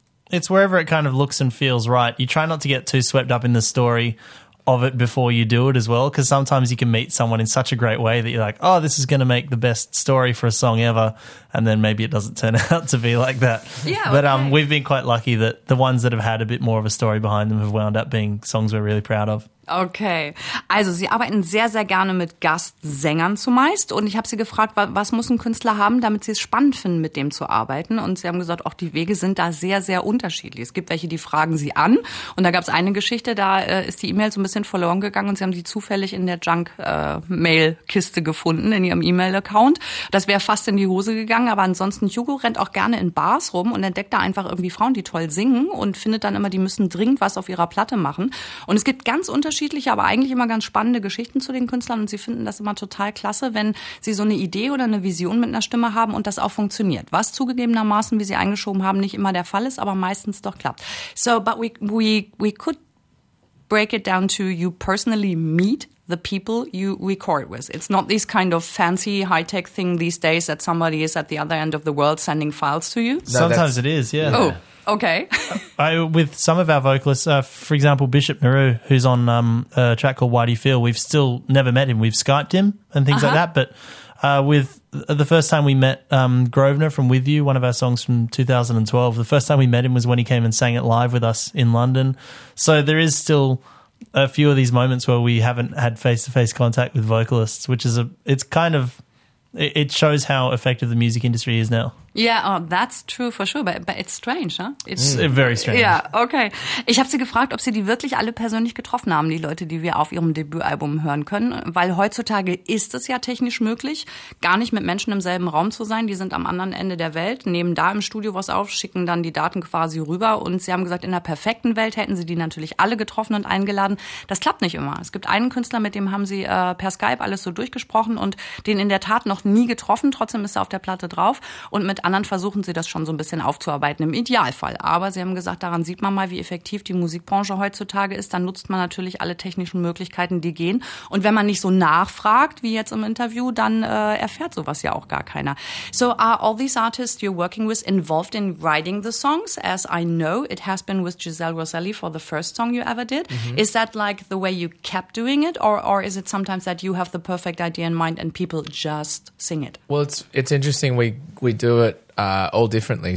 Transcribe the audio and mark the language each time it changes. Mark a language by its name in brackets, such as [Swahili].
[English] It's wherever it kind of looks and feels right. You try not to get too swept up in the story of it before you do it as well, because sometimes you can meet someone in such a great way that you're like, oh, this is going to make the best story for a song ever, and then maybe it doesn't turn out to be like that. Yeah, but okay. We've been quite lucky that the ones that have had a bit more of a story behind them have wound up being songs we're really proud of. [German] Okay, also Sie arbeiten sehr, sehr gerne mit Gastsängern zumeist und ich habe Sie gefragt, was muss ein Künstler haben, damit Sie es spannend finden, mit dem zu arbeiten, und Sie haben gesagt, auch die Wege sind da sehr, sehr unterschiedlich. Es gibt welche, die fragen Sie an, und da gab es eine Geschichte, da ist die E-Mail so ein bisschen verloren gegangen und Sie haben sie zufällig in der Junk-Mail-Kiste gefunden, in Ihrem E-Mail-Account. Das wäre fast in die Hose gegangen, aber ansonsten, Hugo rennt auch gerne in Bars rum und entdeckt da einfach irgendwie Frauen, die toll singen, und findet dann immer, die müssen dringend was auf ihrer Platte machen, und es gibt ganz unterschiedliche, aber eigentlich immer ganz spannende Geschichten zu den Künstlern, und sie finden das immer total klasse, wenn sie so eine Idee oder eine Vision mit einer Stimme haben und das auch funktioniert. Was zugegebenermaßen, wie sie eingeschoben haben, nicht immer der Fall ist, aber meistens doch klappt. [English] So, but we could break it down to you personally meet the people you record with. It's not this kind of fancy high-tech thing these days that somebody is at the other end of the world sending files to you. No, sometimes it is, yeah. Oh. Okay. With some of our vocalists, for example, Bishop Maru, who's on a track called Why Do You Feel, we've still never met him. We've Skyped him and things like that. But with the first time we met Grosvenor from With You, one of our songs from 2012, the first time we met him was when he came and sang it live with us in London. So there is still a few of these moments where we haven't had face-to-face contact with vocalists, which is it shows how effective the music industry is now. Yeah, oh, that's true for sure, but it's strange, huh? It's very strange. Yeah, okay. [German] Ich habe sie gefragt, ob sie die wirklich alle persönlich getroffen haben, die Leute, die wir auf ihrem Debütalbum hören können, weil heutzutage ist es ja technisch möglich, gar nicht mit Menschen im selben Raum zu sein. Die sind am anderen Ende der Welt, nehmen da im Studio was auf, schicken dann die Daten quasi rüber, und sie haben gesagt, in der perfekten Welt hätten sie die natürlich alle getroffen und eingeladen. Das klappt nicht immer. Es gibt einen Künstler, mit dem haben sie per Skype alles so durchgesprochen und den in der Tat noch nie getroffen, trotzdem ist er auf der Platte drauf, und mit anderen versuchen sie das schon so ein bisschen aufzuarbeiten, im Idealfall. Aber sie haben gesagt, daran sieht man mal, wie effektiv die Musikbranche heutzutage ist. Dann nutzt man natürlich alle technischen Möglichkeiten, die gehen. Und wenn man nicht so nachfragt, wie jetzt im Interview, dann erfährt sowas ja auch gar keiner. [English] So are all these artists you're working with involved in writing the songs? As I know, it has been with Giselle Roselli for the first song you ever did. Mm-hmm. Is that like the way you kept doing it? Or is it sometimes that you have the perfect idea in mind and people just sing it? Well, it's interesting. We do it all differently.